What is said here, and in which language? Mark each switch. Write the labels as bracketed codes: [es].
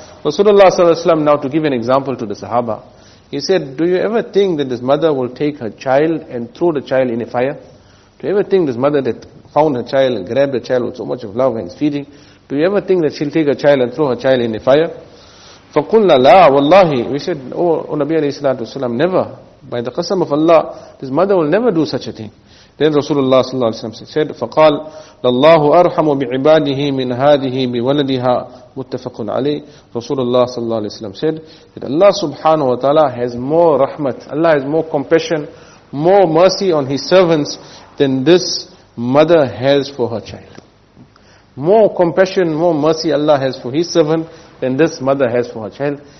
[en] Rasulullah صلى الله عليه وسلم, now to give an example to the Sahaba, he said, do you ever think that this mother will take her child and throw the child in a fire? Do you ever think this mother that found her child and grabbed the child with so much of love and is feeding, do you ever think that she'll take her child and throw her child in a fire? [ar] فَقُلْنَا لَا وَاللَّهِ. [en] We said, oh Nabi alayhi salatu wasalam, never. By the qasam of Allah, this mother will never do such a thing. Then Rasulullah sallallahu alayhi wasalam said, [ar] فَقَالْ لَاللَّهُ أَرْحَمُ بِعِبَادِهِ مِنْ هَذِهِ بِوَلَدِهَا. مُتَّفَقٌ عَلَيْهِ. [en] Rasulullah sallallahu alayhi wasalam said that Allah subhanahu wa ta'ala has more rahmat, Allah has more compassion, more mercy on His servants than this mother has for her child. More compassion, more mercy Allah has for His servant than this mother has for her child.